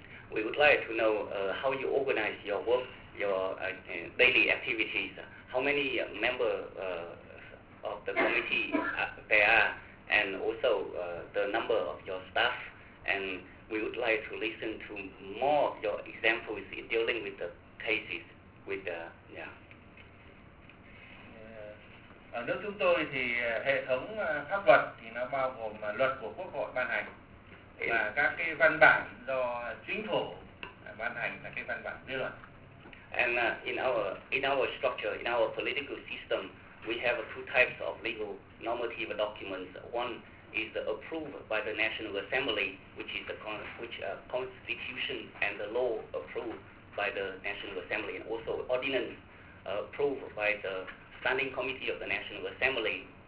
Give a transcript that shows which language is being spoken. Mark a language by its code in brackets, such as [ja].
[en] We would like to know how you organize your work, your daily activities, how many members of the committee there are, and also the number of your staff. And we would like to listen to more of your examples in dealing with the cases. With the, yeah. [vi] Ở nước chúng tôi thì hệ thống pháp luật thì nó bao gồm luật của Quốc hội ban hành. Và các cái văn bản do chính phủ ban hành là cái văn bản dư luận. [en] And in our structure, in our political system, we have two types of legal normative documents. One is approved by the National Assembly, which is the constitution and the law approved by the National Assembly, and also ordinance approved by the Standing Committee of the National Assembly.